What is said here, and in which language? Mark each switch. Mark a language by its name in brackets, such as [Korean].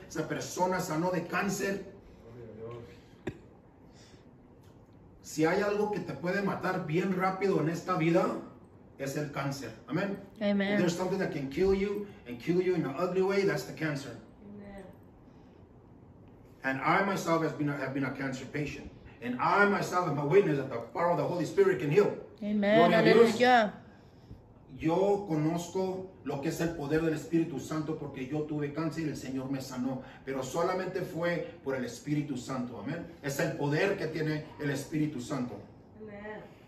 [Spanish] Esa persona sanó de cáncer. Si hay algo que te puede matar bien rápido en esta vida, es el cáncer. Amen. Amen. [English] If there's something that can kill you and kill you in an ugly way, that's the cancer. Amen. And I myself have been a cancer patient. And I myself am a witness that the power of the Holy Spirit can heal. [Spanish] Amen. Aleluya. Yo conozco lo que es el poder del Espíritu Santo porque yo tuve cáncer y el Señor me sanó. Pero solamente fue por el Espíritu Santo. Amén. Es el poder que tiene el Espíritu Santo. Amen.